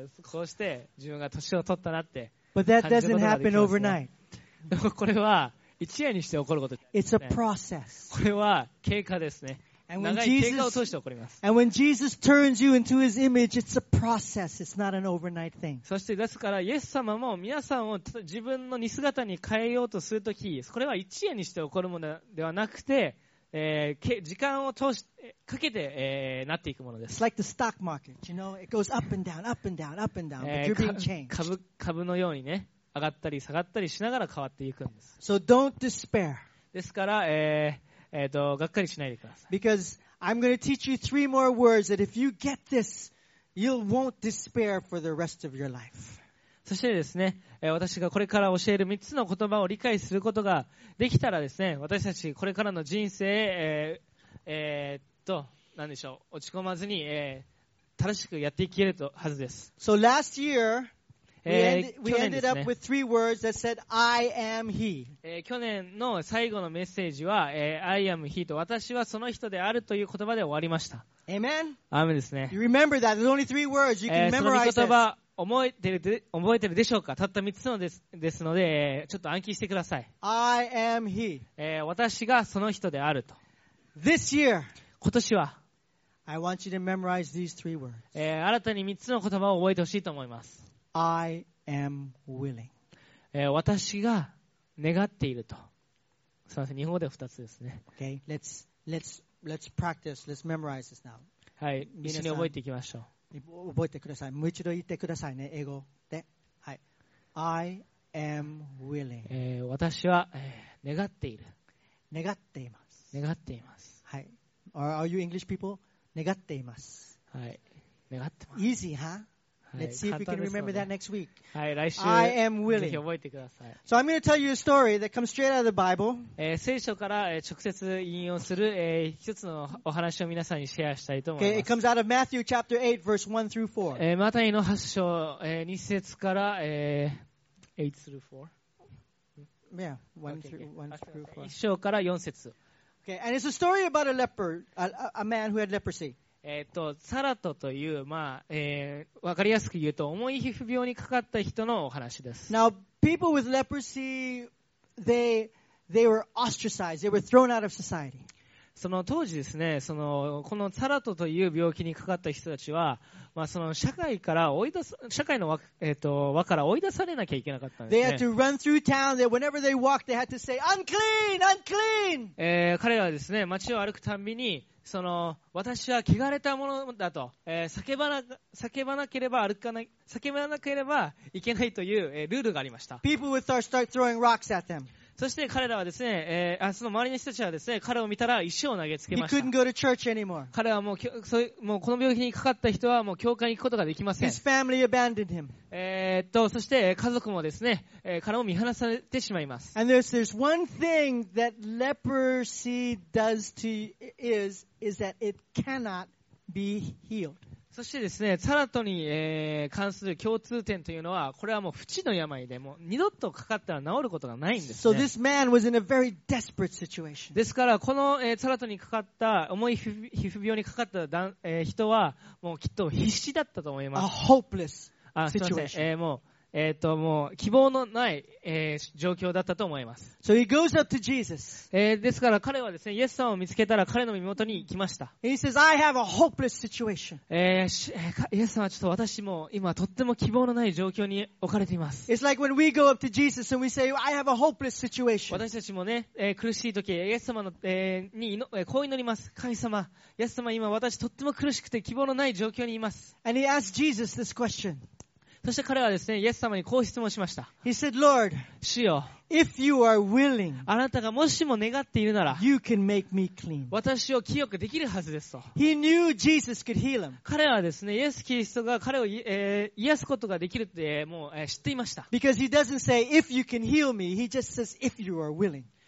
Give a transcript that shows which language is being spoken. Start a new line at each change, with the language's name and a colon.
Japanese: こうして自分が年を取ったなって
English: But that doesn't happen overnight.
Japanese: これは一夜にして起こることです、ね。
English: It's a process.
Japanese: これは経過ですね。長い経過を通して起こります。
English: And when Jesus turns you into His image, it's a process. It's not an overnight thing.
Japanese: そしてですから、イエス様も皆さんを自分の似姿に変えようとするとき、これは一夜にして起こるものではなくて、時間を通しかけて、なっていくものです。
English: It's like the stock market. You know, it goes up and down, up and down, up and down. But you're being changed.
Japanese: 株のようにね。上がったり下がったりしながら変わっていくんです。
English: So don't despair.
Japanese: ですから、がっかりしないでください。
English: Because I'm going to teach you three more words that if you get this, you won't despair for the rest of your life.
Japanese: そしてですね、私がこれから教える3つの言葉を理解することができたらですね、私たちこれからの人生、何でしょう、落ち込まずに、正しくやっていけるはずです。
English: So last year, We ended up with three words that said, I am he.
Japanese: 去年の最後のメッセージは、
English: I am he
Japanese: と私はその人であるという言葉で終わりました。
English: Amen?
Japanese: アーメンですね。
English: You remember that. There's only three words. You can memorize this.
Japanese: 覚えてるでしょうか。たった3つのですので、ちょっと暗記してください。
English: I am he.
Japanese: 私がその人であると。
English: This year.
Japanese: 今年は。
English: I want you to memorize these three words.
Japanese: 新たに3つの言葉を覚えてほしいと思います。
English: I am willing.
Japanese: 私が願っていると。すみません、日本語では2つですね。
English: Okay. Let's practice. Let's memorize this now.
Japanese: はい、一緒に覚えていきましょう。覚えてください。もう一度言ってくださいね、英語で。
English: はい。I am willing.
Japanese: 私は、願っている。願っています。願っています。
English: はい。Are you English people?
Japanese: 願っています。はい。願ってます。
English: Easy, huh?、
Japanese: はい、
English: Let's see if we can remember that next week.
Japanese: はい、来週。
English: I am willing.
Japanese: ぜひ覚えてください。
English: So I'm going to tell you a story that comes straight out of the Bible.
Japanese: 聖書から直接引用する、一つのお話を皆さんにシェアしたいと思います。
English: Okay, it comes out of Matthew chapter 8, verse 1 through 4.
Japanese: マタイの8章、2節から、
English: 8 through 4. Yeah, 1 through 4.
Japanese: 1章から4節。
English: Okay, and it's a story about a leper, a man who had leprosy.
Japanese: サラトという、まあ、わかりやすく言うと、重い皮膚病にかかった人のお話です。
English: Now, people with leprosy, they were ostracized. They were thrown out of society.
Japanese: その当時ですね、その、このサラトという病気にかかった人たちは、まあ、その社会から追い出す、社会の輪から追い出されなきゃいけなかったんですね。
English: They had to run through town that whenever they walked, they had to say, unclean! unclean!
Japanese: 彼らはですね、街を歩くたんびに、その私は汚れたものだと、叫ばなければいけないという、ルールがありました。
English: People would start throwing rocks at them.
Japanese: そして彼らはですね、その周りの人たちはですね、彼を見たら石を投げつけました。
English: He couldn't go to church anymore.
Japanese: 彼はもうこの病気にかかった人はもう教会に行くことができません。
English: His family abandoned him.
Japanese: そして家族もですね、彼を見放されてしまいます。
English: And there's one thing that leprosy does to is that it cannot be healed.
Japanese: そしてですね、サラトに、関する共通点というのは、これはもう不治の病で、もう二度とかかったら治ることがないんですね。
English: So this man was in a very desperate situation.
Japanese: ですから、この、サラトにかかった、重い皮膚病にかかった人は、もうきっと必死だったと思います。
English: A hopeless situation.
Japanese: もう希望のない、状況だったと思います。
English: So he goes up to Jesus.
Japanese: ですから彼はですね、イエス様を見つけたら彼の身元に来ました。
English: He says, I have a hopeless situation.
Japanese: イエス様はちょっと私も今とっても希望のない状況に置かれています。
English: It's like when we go up to Jesus and we say, I have a hopeless situation.
Japanese: 私たちもね、苦しい時、イエス様の、に、こう祈ります。神様、イエス様今私とっても苦しくて希望のない状況にいます。
English: And he asks Jesus this question.
Japanese: そして彼はですね、イエス様にこう質問しました。
English: He said, Lord,
Japanese: 主よ、
English: if you are willing,
Japanese: あなたがもしも願っているなら、
English: you can make me clean.
Japanese: 私を清くできるはずですと。
English: He knew Jesus could heal him.
Japanese: 彼はですね、イエス・キリストが彼を、癒すことができるって、もう、知っていました。
English: Because he doesn't say, if you can heal me, he just says, if you are willing.